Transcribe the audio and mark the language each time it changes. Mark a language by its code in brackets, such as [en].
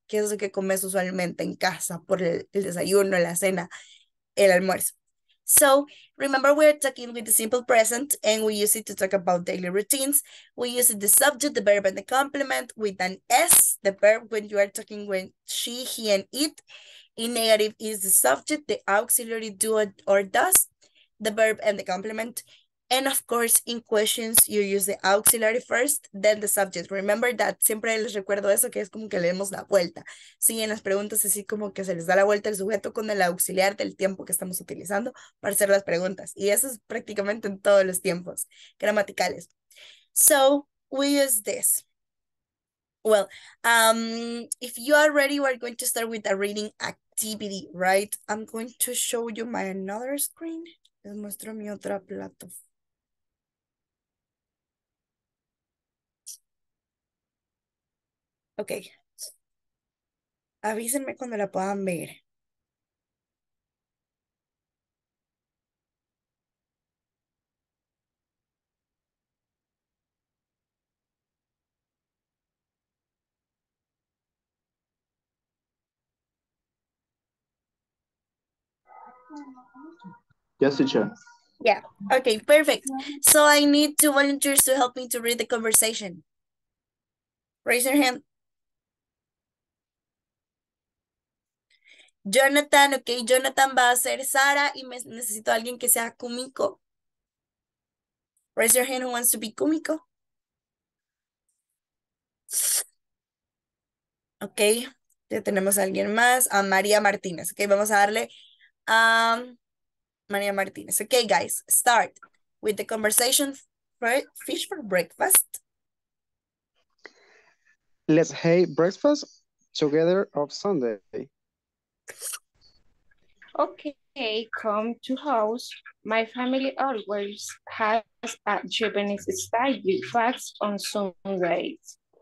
[es] ¿Qué es lo que comes usualmente en casa por el desayuno, la cena, el almuerzo? [en] So, remember, we're talking with the simple present, and we use it to talk about daily routines. We use it the subject, the verb, and the complement with an S, the verb when you are talking with she, he, and it. In negative is the subject, the auxiliary do or does, the verb, and the complement. And of course, in questions, you use the auxiliary first, then the subject. Remember that. [es] Siempre les recuerdo eso, que es como que le demos la vuelta. Sí, en las preguntas es así como que se les da la vuelta el sujeto con el auxiliar del tiempo que estamos utilizando para hacer las preguntas. Y eso es prácticamente en todos los tiempos gramaticales. [en] So, we use this. Well, if you are ready, we're going to start with a reading activity, right? I'm going to show you my another screen. [es] Les muestro mi otra plataforma. Okay, avísenme cuando la puedan ver. [en] Yes, teacher. Yeah, okay, perfect. So I need two volunteers to help me to read the conversation. Raise your hand. [es] Jonathan, okay, Jonathan va a ser Sara y me necesito a alguien que sea Kumiko. [en] Raise your hand who wants to be Kumiko. [es] Okay, ya tenemos a alguien más, a María Martínez. Okay, vamos a darle a María Martínez. [en] Okay, guys, start with the conversation fish for breakfast. Let's have breakfast together on Sunday. Okay, come to house. My family always has a Japanese style fast on Sundays.